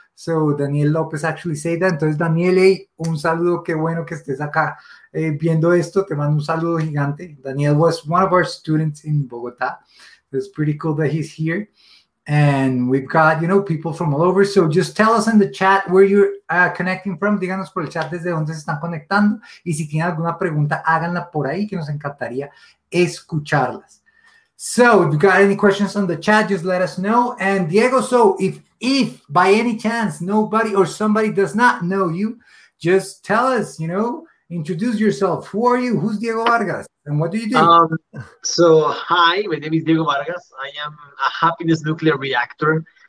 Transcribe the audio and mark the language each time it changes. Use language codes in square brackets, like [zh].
[en] So Daniel López actually said that. [es] Entonces, Daniel, hey, un saludo. Qué bueno que estés acá viendo esto. Te mando un saludo gigante. [en] Daniel was one of our students in Bogotá. It's pretty cool that he's here. And we've got, you know, people from all over. So just tell us in the chat where you're connecting from. [es] Díganos por el chat desde dónde se están conectando. Y si tienen alguna pregunta, háganla por ahí, que nos encantaría escucharlas. [en] So if you got any questions on the chat, just let us know. And Diego, so if by any chance nobody or somebody does not know you, just tell us, you know, introduce yourself. Who are you? Who's Diego Vargas? And what do you do? So hi, my name is Diego Vargas. I am a happiness nuclear reactor.